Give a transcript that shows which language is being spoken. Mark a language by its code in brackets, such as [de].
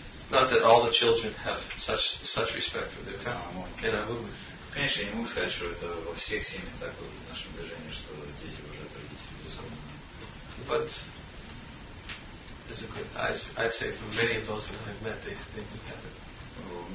[en] Not that all the children have such respect for their parents in our movement. [ru] Конечно, я могу сказать, что это во всех семьях так в нашем движении, что дети уже родители. [en] But it's a good. I'd say for many of those that I've met, they do have it.